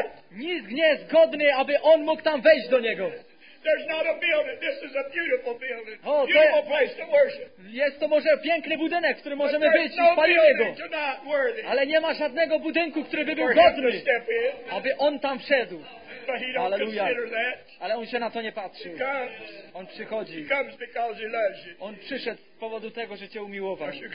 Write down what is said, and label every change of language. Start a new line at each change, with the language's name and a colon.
Polish: Nikt nie jest godny, aby On mógł tam wejść do Niego.
English: There's not a building. This is a beautiful building. Beautiful place to worship.
Polish: Jest to może piękny budynek, w którym możemy być i chwalić Go. Ale nie ma żadnego budynku, który by był godny, aby On tam wszedł. Alleluja. Ale On się na to nie patrzył. On przychodzi. On przyszedł z powodu tego, że Cię umiłował.